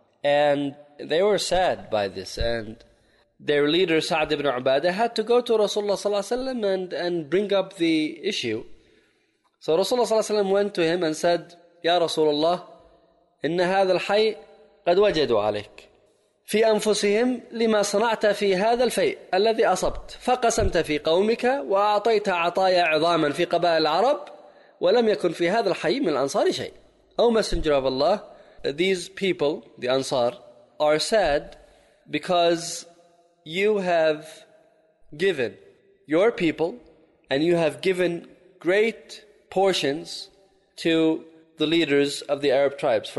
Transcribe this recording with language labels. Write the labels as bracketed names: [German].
[English] And they were sad by this. And their leader, Sa'd ibn Ubadah, had to go to Rasulullah ﷺ and bring up the issue. So Rasulullah ﷺ went to him and said, Ya Rasulullah, [Arabic] إن هذا الحي قد وجدوا عليك. في أنفسهم لما صنعت في هذا الفيء الذي أصبت فقسمت في قومك وأعطيت عطايا عظاما في قبائل العرب ولم يكن في هذا الحي من الأنصار شيء. [English] Oh Messenger of Allah, these people, the Ansar, are sad because you have given your people and you have given great portions to the leaders of the Arab tribes.